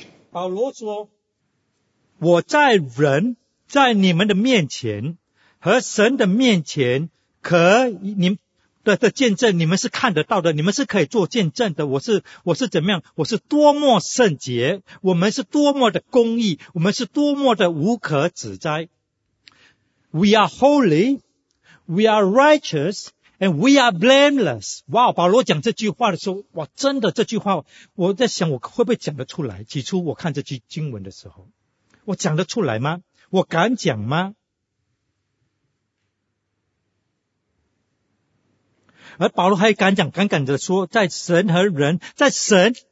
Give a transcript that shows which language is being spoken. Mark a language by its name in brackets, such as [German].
[Chinese] 保罗说：“我在人在你们的面前和神的面前，可你的见证，你们是看得到的，你们是可以做见证的。我是怎么样？我是多么圣洁，我们是多么的公义，我们是多么的无可指摘。 [English] We are holy, we are righteous, and we are blameless。 [Chinese] 哇，保罗讲这句话的时候，哇，真的这句话，我在想我会不会讲得出来？起初我看这句经文的时候，我讲得出来吗？我敢讲吗？” 而保罗还敢讲，敢的说，在神和人，在神